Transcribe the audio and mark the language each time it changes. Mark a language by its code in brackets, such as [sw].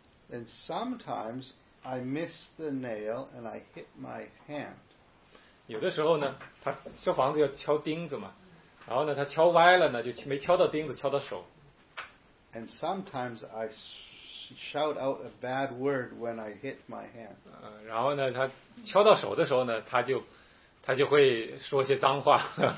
[en] And sometimes I miss the nail and I hit my hand. [zh] 有的时候呢，他修房子要敲钉子嘛，然后呢，他敲歪了呢，就没敲到钉子，敲到手。 [en] And sometimes I shout out a bad word when I hit my hand. [zh] 然后呢，他敲到手的时候呢，他就会说些脏话。